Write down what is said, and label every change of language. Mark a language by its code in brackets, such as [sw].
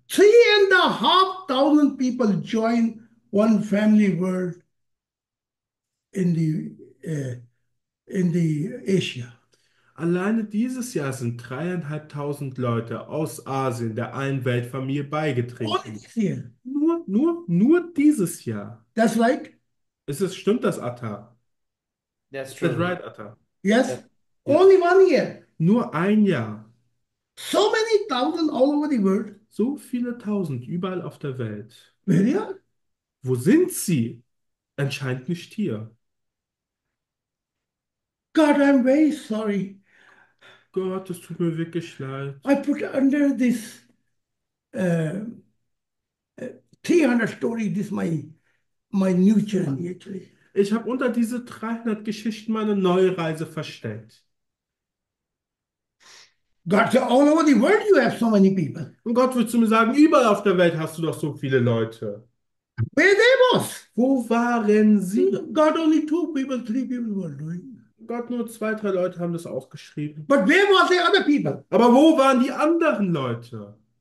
[en] 3,500 people join one family world in the Asia. [de] Alleine dieses Jahr sind 3.500 Leute aus Asien der einen Weltfamilie [en] Only [de] beigetreten. [en] this year. [de] Nur dieses Jahr. [en] That's like, [de] Stimmt das, Atta? [en] that's Is that right, true. Atta? Yes, Yes. only one year. [de] Nur ein Jahr. [en] So many thousand all over the world. [de] So viele tausend überall auf der Welt. [en] Where are? [de] Wo sind sie? Anscheinend nicht hier. [en] God, I'm very sorry. [de] Gott, es tut mir wirklich [en] I [de] leid. [en] put under this 300 story, this my new journey actually. [de] Ich habe unter diese 300 Geschichten meine neue Reise versteckt. [en] God, so all over the world you have so many people. [de] Und Gott wird zu mir sagen, überall auf der Welt hast du doch so viele Leute. [en] Where they was? [de] Wo waren [en] God, [de] sie? [en] only two people, three people were doing. [de] Gott, nur zwei, drei Leute haben das auch geschrieben. [en] But where was the other people? [de] Aber wo waren die anderen Leute?